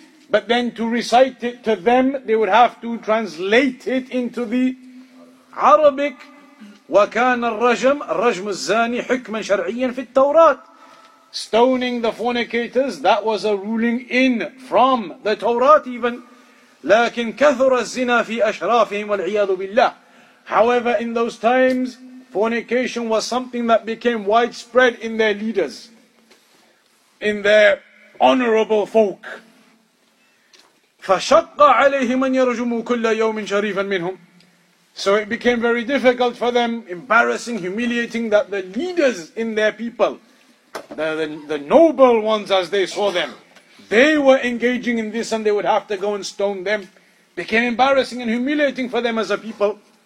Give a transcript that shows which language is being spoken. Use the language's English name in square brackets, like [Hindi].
[English] But then to recite it to them, they would have to translate it into the Arabic. [Arabic] وَكَانَ الرَّجْمُ رَجْمُ الزَّانِ حُكْمًا شَرْعِيًّا فِي التَّوْرَاتِ. [English] Stoning the fornicators, that was a ruling in, from the Torah even. [Arabic] لكن كثر الزنا في أشرافهم والعياذ بالله. [English] However, in those times, fornication was something that became widespread in their leaders, in their honorable folk. [Arabic] فشق عليهم أن يرجموا كل يوم شريفا منهم. [English] So it became very difficult for them, embarrassing, humiliating, that the leaders in their people the noble ones as they saw them, they were engaging in this and they would have to go and stone them, became embarrassing and humiliating for them as a people.